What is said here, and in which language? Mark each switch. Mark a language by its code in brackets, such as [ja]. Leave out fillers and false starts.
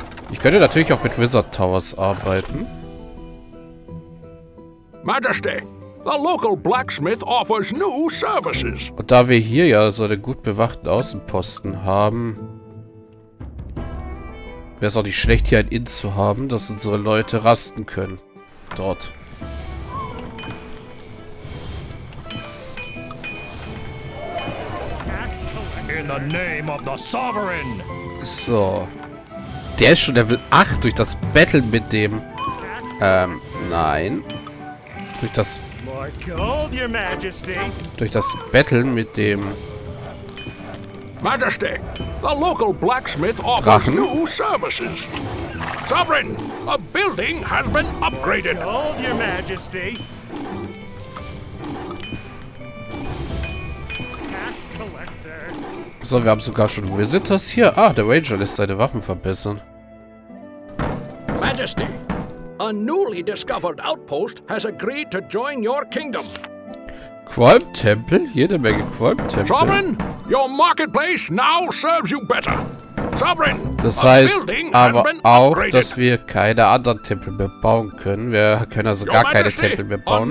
[de] Ich könnte natürlich auch mit Wizard Towers arbeiten. [en] Majesty, the local blacksmith offers new services. [de] Und da wir hier ja so einen gut bewachten Außenposten haben, wäre es auch nicht schlecht, hier ein Inn zu haben, dass unsere Leute rasten können. Dort. [en] In the name of the sovereign. So. [de] Der ist schon Level 8 durch das Battle mit dem. Nein. Durch das. [en] Gold, Your Majesty. [de] Durch das Battle mit dem. [en] Majesty, the local blacksmith offers [de] Drachen. [en] New services. Sovereign, a building has been upgraded. Hold your majesty. Tax collector. [de] So, wir haben sogar schon Visitors hier. Ah, der Ranger lässt seine Waffen verbessern. [en] Majesty, a newly discovered outpost has agreed to join your kingdom. [de] Qualm-Tempel? Jede Menge Qualm-Tempel. [en] Sovereign, your marketplace now serves you better. Sovereign, [de] das heißt aber auch, dass wir keine anderen Tempel mehr bauen können. Wir können also gar keine Tempel mehr bauen.